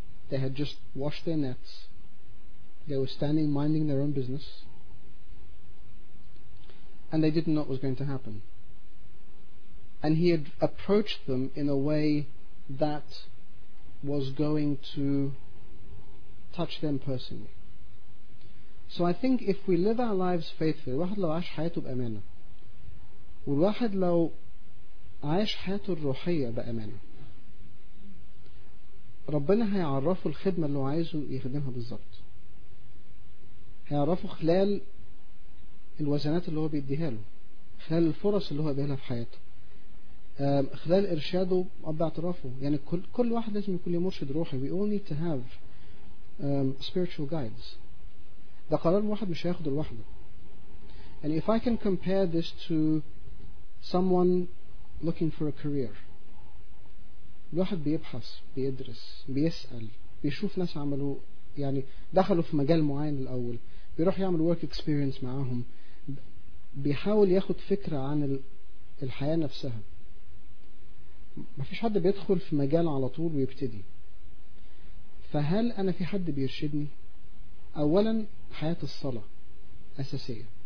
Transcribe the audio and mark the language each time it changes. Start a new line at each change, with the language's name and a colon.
English: They had just washed their nets. They were standing minding their own business. And they didn't know what was going to happen. And He had approached them in a way that was going to touch them personally. So I think if we live our lives faithfully,
Arabic: واحد لو عاش حياته بأمانة والواحد لو عاش حياته الروحية بأمانة ربنا هيعرفه الخدمة اللي هو عايزه يخدمها بالضبط. هيعرفه خلال الوزنات اللي هو بيديها له، خلال الفرص اللي هو بيديها لها في حياته، خلال إرشاده وباعترافه. يعني كل واحد لازم يكون مرشد روحي.
English: We all need to have spiritual guides.
Arabic: ده قرار واحد مش هياخده لوحده.
English: And if I can compare this to someone looking for a career.
Arabic: الواحد بيبحث، بيدرس، بيسأل، بيشوف ناس عملوا، يعني دخلوا في مجال معين الأول، بيروح يعمل work experience معاهم، بيحاول ياخد فكرة عن الحياة نفسها. ما فيش حد بيدخل في مجال على طول ويبتدي. فهل أنا في حد بيرشدني؟ أولا حياة الصلاة أساسية.